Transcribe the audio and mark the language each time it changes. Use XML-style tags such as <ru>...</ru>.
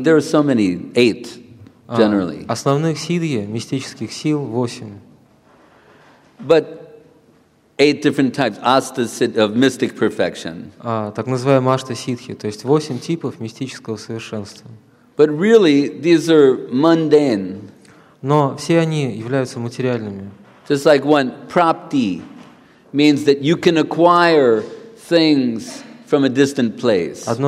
<en>There are so many, eight, generally.</en> <ru>Основных сиддхи, мистических сил, восемь.</ru> <en>But eight different types of mystic perfection.</en> <ru>Так называемые аштасидхи, то есть восемь типов мистического совершенства.</ru> <en>But really, these are mundane.</en> <ru>Но все они являются материальными.</ru> <en>Just like when prapti means that you can acquire things from a distant place.</en>